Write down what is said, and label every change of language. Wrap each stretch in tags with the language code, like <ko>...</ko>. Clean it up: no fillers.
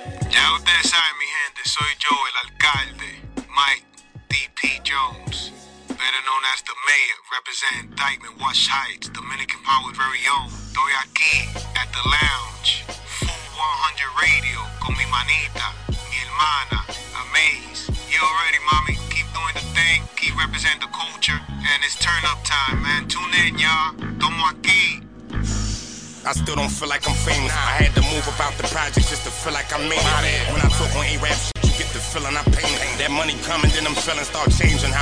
<es>Ya ustedes saben, mi gente, soy yo, el alcalde, Mike D.P.</es> <en>Jones, better known as the mayor, representing Dykeman, Watch Heights, Dominican Power's very own.</en> <es>Estoy aquí, at the lounge, Full 100 Radio, con mi manita, mi hermana, Amaze.</es> <en>You already, mommy, keep doing the thing, keep representing the culture, and it's turn up time, man. Tune in, y'all, tomo aquí. I still don't feel like I'm famous. I had to move about the project just to feel like I made it. When I talk on A-Rap shit, you get the feeling I painted. That money coming, then them feelings start changing.</en>